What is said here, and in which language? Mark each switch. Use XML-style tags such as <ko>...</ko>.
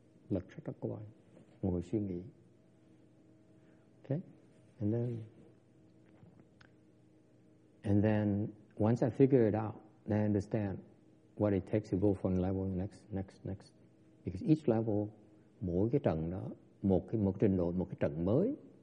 <vi>Lật sách các bài, ngồi suy nghĩ.</vi> <en>Okay, and then once I figure it out, then I understand what it takes to go from level next. Because each level,</en> <vi>mỗi cái tầng đó, một trình độ, một cái tầng mới.</vi>